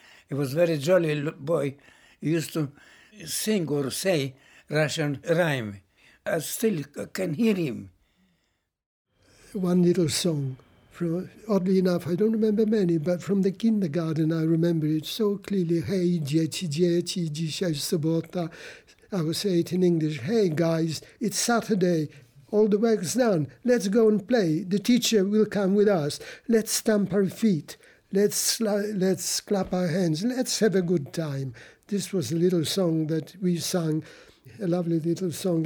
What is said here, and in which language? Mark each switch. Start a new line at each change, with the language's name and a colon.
English: He was a very jolly boy. He used to sing or say Russian rhyme. I still can hear him. One little song. From, oddly enough, I don't remember many, but from the kindergarten I remember it so clearly.
Polish: Hey, dzieci, dzieci, dzisiaj sobota.
English: I would say it in English. Hey, guys, it's Saturday. All the work's done. Let's go and play. The teacher will come with us. Let's stamp our feet. Let's clap our hands. Let's have a good time. This was a little song that we sang, a lovely little song.